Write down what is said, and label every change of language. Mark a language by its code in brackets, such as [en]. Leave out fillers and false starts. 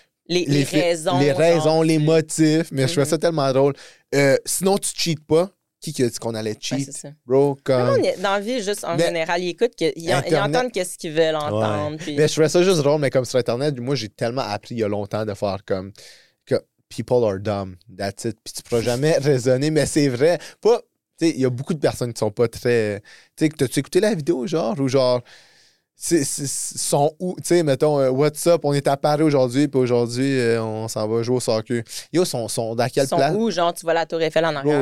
[fr] Les raisons, les motifs. Mais je trouvais ça tellement drôle. Sinon, tu cheats pas. Qui a dit qu'on allait cheat? Ben, bro, comme. Non, dans la vie, juste en général, ils écoutent, ils entendent ce qu'ils veulent entendre. Ouais. Puis... Mais je trouvais ça juste drôle, mais comme sur Internet, moi, j'ai tellement appris il y a longtemps de faire comme. Que [en] people are dumb, that's it. [fr] Puis tu pourras jamais raisonner, mais c'est vrai. Pas. Tu sais, il y a beaucoup de personnes qui sont pas très. Tu sais, t'as-tu écouté la vidéo, genre? Ou genre. Sont où, tu sais, mettons, [en] what's up, [fr] on est à Paris aujourd'hui, puis aujourd'hui, on s'en va jouer au soccer. Yo, sont dans quel plan? Ils sont où, genre, tu vois la Tour Eiffel en arrière?